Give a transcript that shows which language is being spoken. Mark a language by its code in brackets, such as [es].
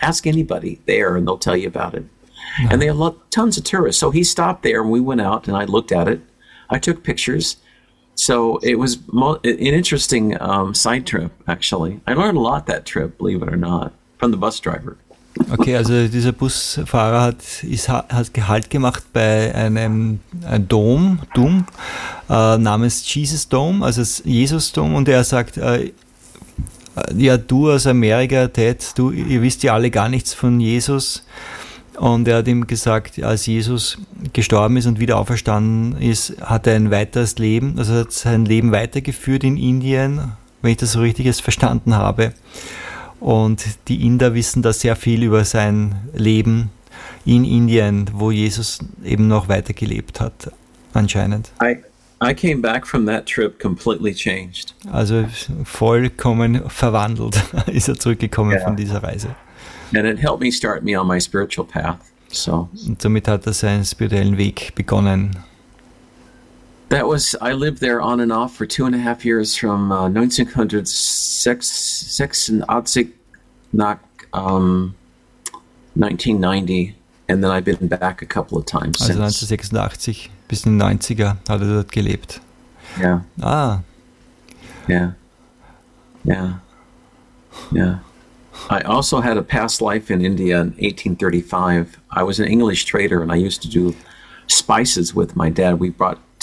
[en] Ask anybody there and they'll tell you about it. Mm-hmm. And they have tons of tourists. So he stopped there and we went out and I looked at it. I took pictures. So it was an interesting side trip, actually. I learned a lot that trip, believe it or not, from the bus driver. [de] Okay, also dieser Busfahrer hat Halt gemacht bei einem Dom, namens Jesus Dome, also Jesus Dome. Und er sagt, ja, du aus Amerika, Ted, du, ihr wisst ja alle gar nichts von Jesus. Und er hat ihm gesagt, als Jesus gestorben ist und wieder auferstanden ist, hat er ein weiteres Leben, also hat sein Leben weitergeführt in Indien, wenn ich das so richtig verstanden habe. Und die Inder wissen da sehr viel über sein Leben in Indien, wo Jesus eben noch weitergelebt hat, anscheinend. [en] I came back from that trip completely changed. [de] Also vollkommen verwandelt ist er zurückgekommen, yeah, von dieser Reise. [en] And it helped me start me on my spiritual path. So. [de] Und somit hat er seinen spirituellen Weg begonnen. [en] I lived there on and off for 2.5 years from 1990, and then I've been back a couple of times since. [de] Also 1986. Bis in den 90er hat er dort gelebt. Ja. [en] Yeah. Ah. [de] Ja. Ja. Ja. [en] I also had a past life in India in 1835. I was an English trader and I used to do spices with my dad. We brought